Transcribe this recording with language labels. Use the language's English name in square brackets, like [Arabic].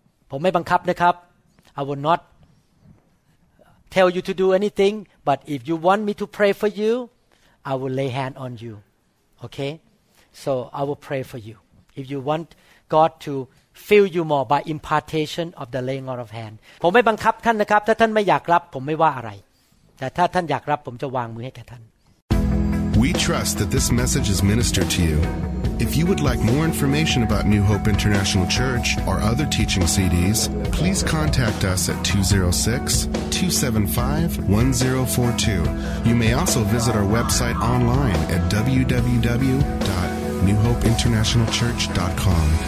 [Thai] ผมไม่บังคับนะครับ [English] I will not tell you to do anything. But if you want me to pray for you, I will lay hand on you. Okay? So I will pray for you. If you want God to fill you more by impartation of the laying on of hand. [Thai] ผมไม่บังคับท่านนะครับถ้าท่านไม่อยากรับผมไม่ว่าอะไรแต่ถ้าท่านอยากรับผมจะวางมือให้แก่ท่าน [English] We trust that this message is ministered to you. If you would like more information about New Hope International Church or other teaching CDs, please contact us at 206-275-1042. You may also visit our website online at www.newhopeinternationalchurch.com.